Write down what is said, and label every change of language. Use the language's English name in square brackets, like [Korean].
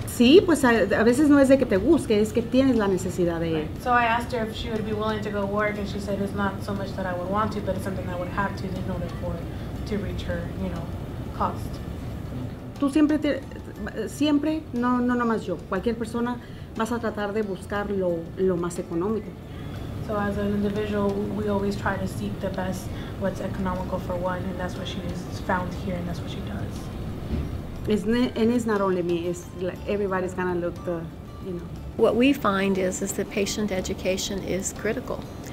[Spanish] Sí, pues a veces no es de que te busque, es que tienes la necesidad de. [English] Right. So I asked her if she would be willing to go work, and she said it's not so much that I would want to, but it's something I would have to in order to reach her, cost. [Spanish] Tú siempre, no nomás yo, cualquier persona, vas a tratar de buscar lo más económico. [English] So as an individual, we always try to seek the best, what's economical for one, and that's what she is found here, and that's what she does. It's not only me, it's like everybody's gonna look the, What we find is that patient education is critical.